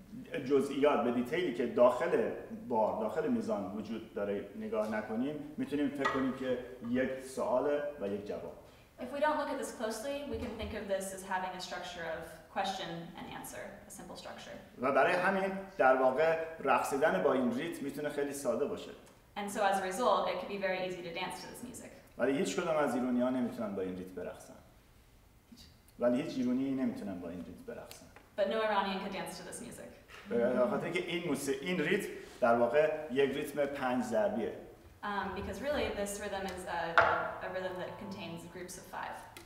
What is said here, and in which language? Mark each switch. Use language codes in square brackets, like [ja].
[fa] داخل بار، داخل میزان وجود داره نگاه نکنیم میتونیم فکر کنیم که یک سوال و یک جواب. [en] If we don't look at this closely, we can think of this as having a structure of question and answer, a simple structure. [fa] و برای همین در واقع رقصیدن با این ریتم میتونه خیلی ساده باشه. [en] And so as a result, it can be very easy to dance to this music. [fa] ولی هیچ کدوم از ایرانی ها نمیتونن با این ریتم برقصن. ولی هیچ ایرانی نمیتونن با این ریتم برقصن. [en] But no Iranian could dance to this music. [fa] خاطر اینکه این موسیقی این ریتم در واقع یک ریتم پنج ضربیه. [en] Because really this rhythm is a rhythm that contains groups of five.